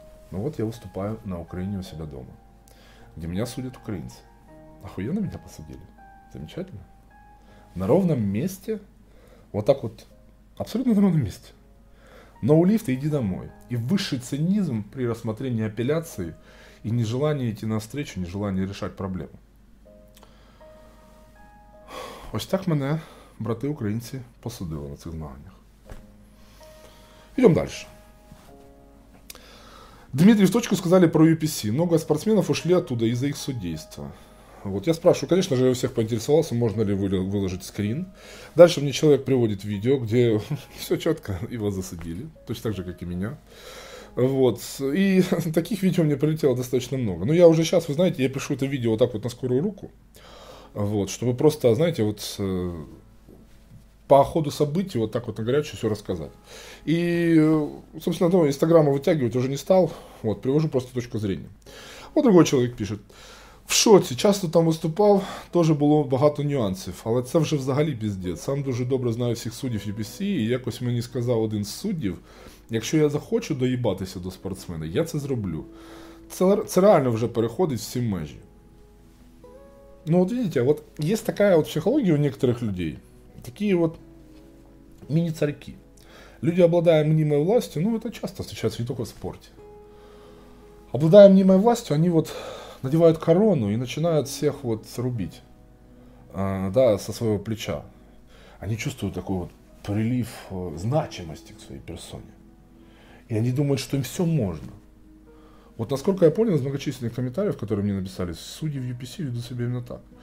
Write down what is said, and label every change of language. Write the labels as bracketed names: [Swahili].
[Russian] Но вот я выступаю на Украине у себя дома, где меня судят украинцы. Охуенно меня посадили. Замечательно. На ровном месте, вот так вот, абсолютно на ровном месте. Но у лифта иди домой. И высший цинизм при рассмотрении апелляции и нежелание идти навстречу, нежелание решать проблему. [Ukrainian] Ось так мене, брати українці, посадили на цих змаганнях. [Russian] Идем дальше. Дмитрий, в точку сказали про UPC. Много спортсменов ушли оттуда из-за их судейства. Вот я спрашиваю, конечно же, я у всех поинтересовался, можно ли выложить скрин. Дальше мне человек приводит видео, где все четко, его засадили. Точно так же, как и меня. Вот. И таких видео мне прилетело достаточно много. Но я уже сейчас, вы знаете, я пишу это видео вот так вот на скорую руку. Вот, чтобы просто, знаете, вот по ходу событий вот так вот на горячую все рассказать. И, собственно, то, Инстаграма вытягивать уже не стал. Вот, привожу просто точку зрения. Вот другой человек пишет. [Ukrainian] В шоці, часто там виступав, теж було багато нюансів, але це вже взагалі піздець. Сам дуже добре знаю всіх суддів UFC, і якось мені сказав один з суддів, якщо я захочу доїбатися до спортсмена, я це зроблю. Це реально вже переходить всі межі. Ну от видите, от є така от психологія у некоторих людей, такі от міні-царьки. Люди обладають мнимою властю, ну це часто зустрічається не тільки в спорті. Обладають мнимою властю, вони от [Russian] надевают корону и начинают всех вот рубить, да, со своего плеча. Они чувствуют такой вот прилив значимости к своей персоне. И они думают, что им все можно. Вот насколько я понял из многочисленных комментариев, которые мне написали, судьи в UPC ведут себя именно так.